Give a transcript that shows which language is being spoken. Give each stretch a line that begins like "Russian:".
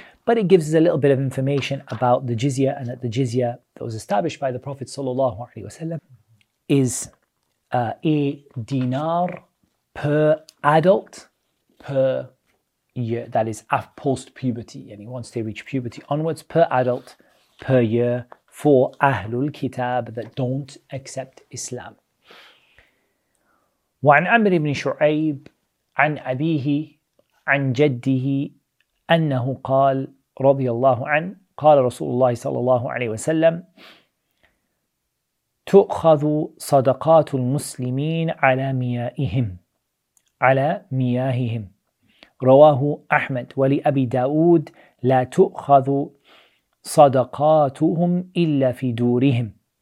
English: But it gives us a little bit of information about the jizya, and that the jizya that was established by the Prophet sallallahu alaihi wasallam is a dinar per adult per year. That is post puberty, and once they reach puberty onwards, per adult per year for Ahlul Kitab that don't accept Islam.
Arabic: وعن أمر بن شعيب عن أبيه عن جده أنه قال رضي الله عنه قال رسول الله صلى الله عليه وسلم تؤخذ صدقات المسلمين على ميائهم على مياههم رواه أحمد ولأبي داود لا تؤخذ صدقاتهم إلا في دورهم